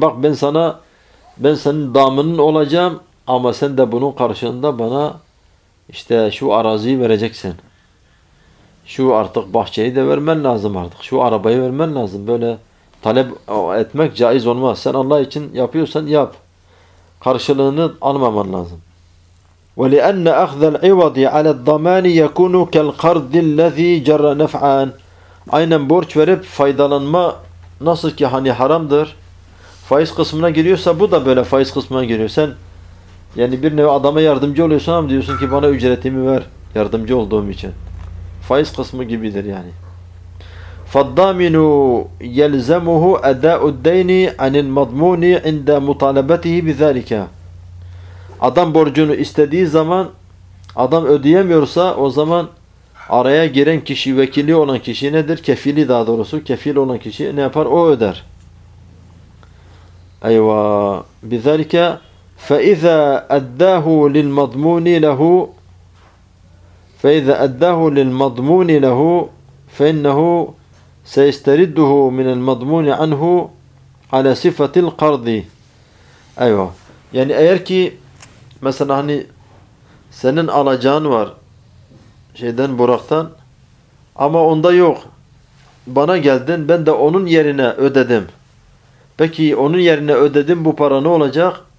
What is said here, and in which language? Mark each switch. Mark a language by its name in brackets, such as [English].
[Turkish] Bak ben sana, ben senin damının olacağım ama sen de bunun karşılığında bana işte şu araziyi vereceksin. Şu artık bahçeyi de vermen lazım artık. Şu arabayı vermen lazım. Böyle talep etmek caiz olmaz. Sen Allah için yapıyorsan yap. Karşılığını almaman lazım. [Arabic] وَلِأَنَّ أَخْذَ الْعِوَضِ عَلَى الضَّمَانِ يَكُونُ كَالْقَرْضِ الَّذِي جَرَّ نَفْعًا [Turkish] Aynen borç verip faydalanma nasıl ki hani haramdır. Faiz kısmına giriyorsa bu da böyle faiz kısmına giriyor. Sen yani bir nevi adama yardımcı oluyorsun ama diyorsun ki bana ücretimi ver yardımcı olduğum için. Faiz kısmı gibidir yani. [Arabic] فَالضَّامِنُ يَلْزَمُهُ اَدَاءُ الدَّيْنِ عَنِ الْمَضْمُونِ عِنْدَ مُطَالَبَتِهِ بِذَٰلِكَ [Turkish] Adam borcunu istediği zaman adam ödeyemiyorsa o zaman araya giren kişi, vekili olan kişi nedir? Kefili daha doğrusu. Kefil olan kişi ne yapar? O öder. Eyva. [Arabic] Bizalike فَاِذَا اَدَّاهُ لِلْمَضْمُونِ لَهُ فَاِذَا اَدَّاهُ لِلْمَضْمُونِ لَهُ فَاِنَّهُ سَيَسْتَرِدُّهُ مِنَ الْمَضْمُونِ عَنْهُ على صفة القرض. أيوة يعني [Turkish] eğer ki mesela hani senin alacağın var şeyden Burak'tan ama onda yok. Bana geldin, ben de onun yerine ödedim. Peki onun yerine ödedim, bu para ne olacak?